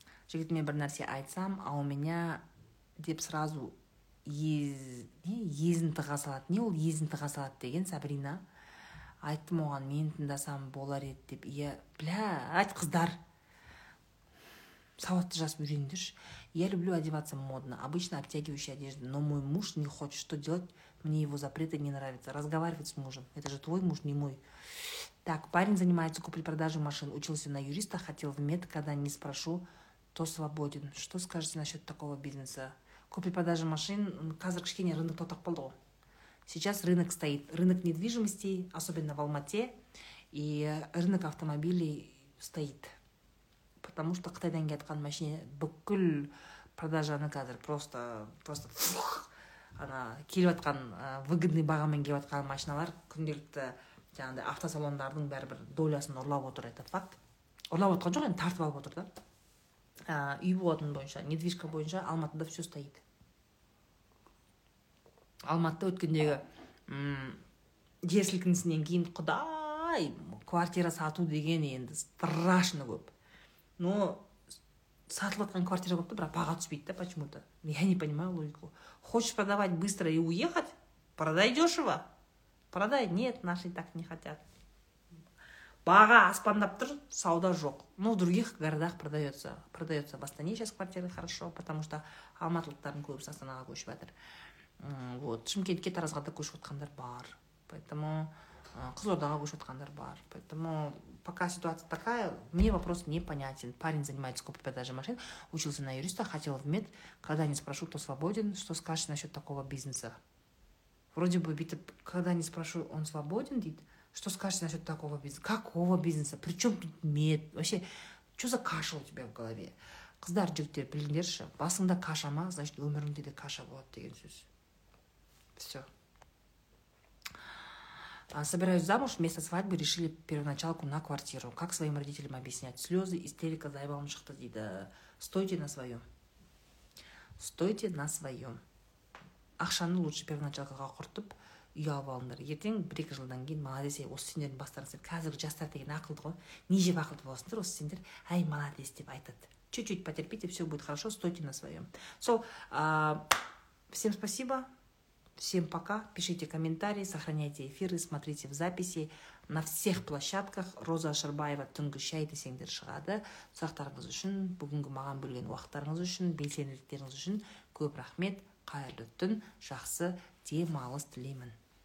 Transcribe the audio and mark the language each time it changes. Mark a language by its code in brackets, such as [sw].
[kk] Жігітіме бір нәрсе айтсам, [ru] а у меня [kk] деп сразу езін тыға салады. Не ол езін тыға салады деген, Сабрина? Айттым оған, мен тыңдасам болар еді деп. Иә, бля, айт қыздар. Сауатты жасып үйреніңдерші. [ru] Я люблю одеваться модно. Обычно обтягивающая одежда. Но мой муж не хочет. Что делать? Мне его запреты не нравятся. Разговаривать с мужем. Это же твой муж, не мой. Так, парень занимается купли-продажей машин. Учился на юриста, хотел в мед. Когда не спрошу, то свободен. Что скажете насчет такого бизнеса? Купли-продажи машин. [kk] Қазір кішкене рынок тоқтап қалды ғой. [ru] Сейчас рынок стоит, рынок недвижимости, особенно в Алмате, и рынок автомобилей стоит. Потому что [kk] қытайдан кеткен машина бүкіл продажаны қазір просто фух, ана келіватқан выгодный бағамен келіватқан машиналар күнделікті жаңағыдай автосалондардың бәрі бір долясын ұрлап отыр, [ru] это факт. [kk] Ұрлап отырған жоқ, енді тартып алып отыр да. Үй болатын бойынша, недвижка бойынша Алматыда [ru] все стоит. [kk] Алматыда өткендегі жер сілкінісінен кейін, құдай, квартира сату деген енді страшно көп. Но сатылып жатқан квартира көп, бірақ баға түспейді да почему-то. [ru] Я не понимаю логику. Хочешь продавать быстро и уехать? Продай дешево. Продай. Нет, наши так не хотят. Баға аспандап тұр, сауда жоқ. Но в других городах продается. В Астане сейчас квартиры хорошо, потому что [kk] алматылықтарын көбісі Астанаға көшіп жатыр. Вот, Шымкентке, Таразға да көшіп жатқандар бар. [ru] Поэтому [kk] Қызылордаға көшіп жатқандар бар. Поэтому [ru] пока ситуация такая, мне вопрос непонятен. Парень занимается купой продажей машин, учился на юриста, хотел в мед. Когда не спрошу, то свободен. Что скажешь насчет такого бизнеса? Вроде бы, когда не спрошу, он свободен, дит. Что скажешь насчет такого бизнеса? Какого бизнеса? Причем тут мед? Вообще, что за каша у тебя в голове? [kk] Қыздар, жүгіттер, біліндерші, басында каша ма, значит, өмірінде де каша болады деген сөз. [ru] Все. Собираюсь замуж, вместо свадьбы решили первоначалку на квартиру. Как своим родителям объяснять? Слезы, истерика, заебалым шықты дейді. Стойте на своем. Стойте на своем. [kk] Ақшаны лучше первоначалкаға құртып, ұялып алыңдар. Ертең бір-екі жылдан кейін, молодец, осы сендердің бастарыңыз деп, қазіргі жастар деген ақылды ғой. Неже ақылды боласыңдар, осы сендер, әй, молодец деп айтады. [ru] Чуть-чуть потерпите, все будет хорошо, стойте на своем. [en] So, [ru] всем спасибо, всем пока. Пишите комментарии, сохраняйте эфиры, смотрите в записи. На всех площадках Роза Ашарбаева [kk] түнгі шай десеңдер шығады. Сұрақтарыңыз үшін, бүгінгі маған бөлген уақыттарыңыз үшін, белсенділіктеріңіз үшін көп рахмет, қайырлы түн, жақсы демалыс тілеймін.